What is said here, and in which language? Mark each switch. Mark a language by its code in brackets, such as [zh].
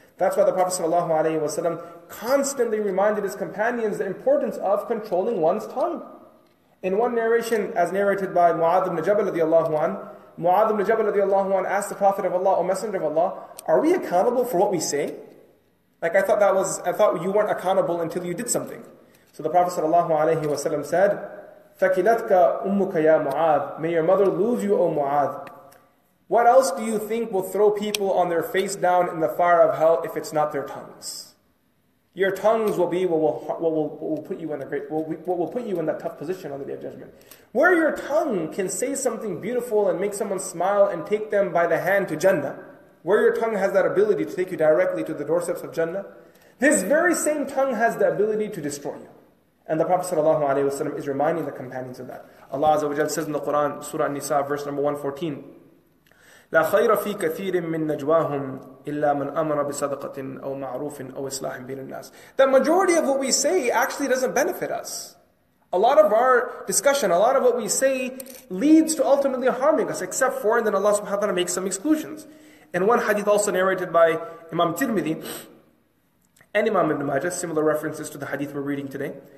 [en] That's why the Prophet ﷺ constantly reminded his companions the importance of controlling one's tongue. In one narration, as narrated by Mu'adh ibn Jabal radiallahu anhu, Mu'adh ibn Jabal radiallahu anhu asked the Prophet of Allah, O Messenger of Allah, are we accountable for what we say? Like, I thought you weren't accountable until you did something. So the Prophet ﷺ said, [ar] فَكِلَتْكَ أُمُّكَ يَا مُعَاذ. [en] May your mother lose you, O Mu'adh. What else do you think will throw people on their face down in the fire of hell if it's not their tongues? Your tongues will be what will put you in that tough position on the Day of Judgment. Where your tongue can say something beautiful and make someone smile and take them by the hand to Jannah, where your tongue has that ability to take you directly to the doorsteps of Jannah, this very same tongue has the ability to destroy you. And the Prophet ﷺ is reminding the companions of that. Allah Azza wa Jalla says in the Quran, Surah An-Nisa, verse number 114, [ar] لا خير في كثير من نجواهم إلا من أمر بصدقة أو معروف أو إصلاح بين الناس. [en] The majority of what we say actually doesn't benefit us. A lot of our discussion, a lot of what we say leads to ultimately harming us, except for, and then Allah subhanahu wa ta'ala makes some exclusions. And one hadith also narrated by Imam Tirmidhi and Imam Ibn Majah, similar references to the hadith we're reading today.